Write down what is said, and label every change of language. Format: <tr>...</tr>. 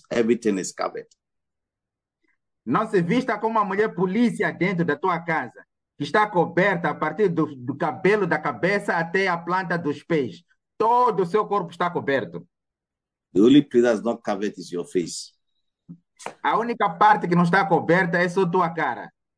<en>Everything is covered.</en> <pt>Não se vista como uma mulher polícia dentro da tua casa, que está coberta a partir do cabelo da cabeça até a planta dos pés. Todo o seu corpo está coberto.</pt> <en>The only place that's not covered is your face.</en> <pt>A única parte que não está coberta é só tua cara.</pt>